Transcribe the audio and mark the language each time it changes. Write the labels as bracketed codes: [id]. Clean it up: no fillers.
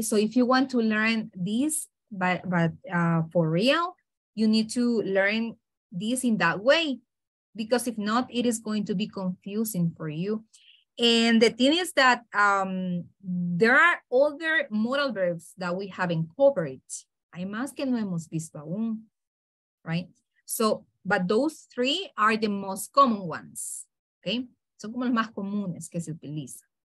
[en] So if you want to learn this, but for real, you need to learn this in that way, because if not, it is going to be confusing for you. And the thing is that there are other modal verbs that we haven't covered. [es] Hay más que no hemos visto aún, right? [en] So, but those three are the most common ones, okay? [es] Son como los más comunes que se utilizan.